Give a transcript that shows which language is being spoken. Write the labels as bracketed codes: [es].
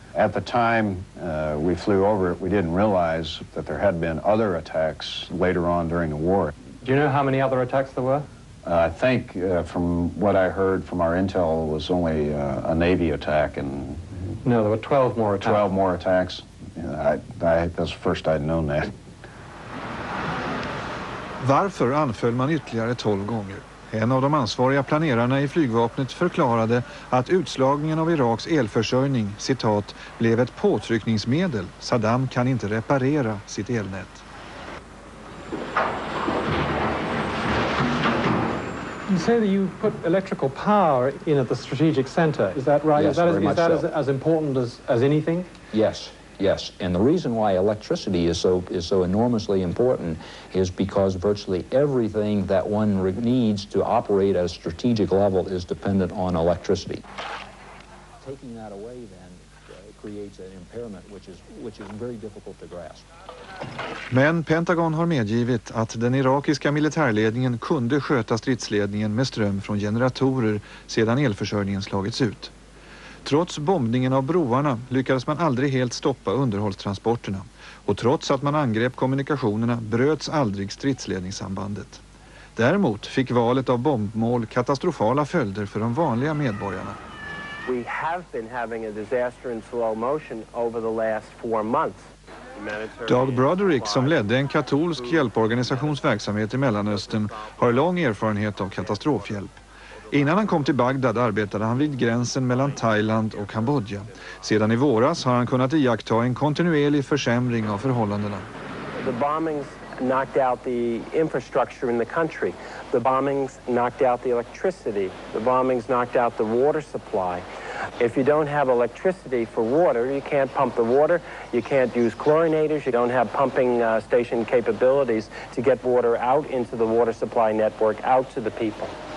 [en] At the time we flew over it, we didn't realize that there had been other attacks later on during the war. Do you know how many other attacks there were? I think from what I heard from our intel, it was only a Navy attack. And no, there were 12 more attacks. 12 more attacks. I that was the first I'd known that. [sv] Varför anföll man ytterligare 12 gånger? En av de ansvariga planerarna i flygvapnet förklarade att utslagningen av Iraks elförsörjning, citat, blev ett påtryckningsmedel. Saddam kan inte reparera sitt elnät. [en] You say that you put electrical power in at the strategic center. Is that right? Yes, very much so. Is that as important as anything? Yes. Yes, and the reason why electricity is so enormously important is because virtually everything that one needs to operate at a strategic level is dependent on electricity. Taking that away then creates an impairment which is very difficult to grasp. [sv] Men Pentagon har medgivit att den irakiska militärledningen kunde sköta stridsledningen med ström från generatorer sedan elförsörjningen slagits ut. Trots bombningen av broarna lyckades man aldrig helt stoppa underhållstransporterna. Och trots att man angrep kommunikationerna bröts aldrig stridsledningssambandet. Däremot fick valet av bombmål katastrofala följder för de vanliga medborgarna. [en] We have been having a disaster in slow motion over the last four months. [sv] Doug Broderick, som ledde en katolsk hjälporganisationsverksamhet i Mellanöstern, har lång erfarenhet av katastrofhjälp. Innan han kom till Bagdad arbetade han vid gränsen mellan Thailand och Kambodja. Sedan i våras har han kunnat iaktta en kontinuerlig försämring av förhållandena. [en] The bombings knocked out the infrastructure in the country. The bombings knocked out the electricity. The bombings knocked out the water supply. If you don't have electricity for water, you can't pump the water, you can't use chlorinators, you don't have pumping station capabilities to get water out into the water supply network, out to the people.